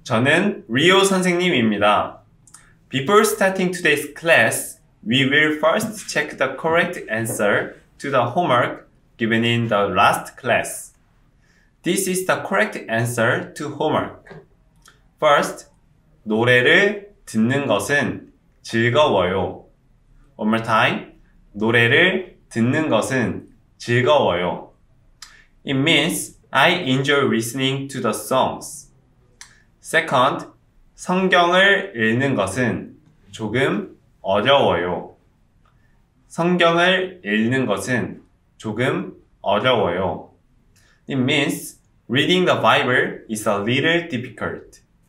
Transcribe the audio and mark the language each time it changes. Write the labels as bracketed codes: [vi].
[ko] 저는 리오 선생님입니다. [en] Before starting today's class, we will first check the correct answer to the homework given in the last class. This is the correct answer to homework. First, [ko] 노래를 듣는 것은 즐거워요. [en] One more time. [ko] 노래를 듣는 것은 즐거워요. [en] It means I enjoy listening to the songs. [ko] Second, 성경을 읽는 것은 조금 어려워요. 성경을 읽는 것은 조금 어려워요. [en] It means reading the Bible is a little difficult.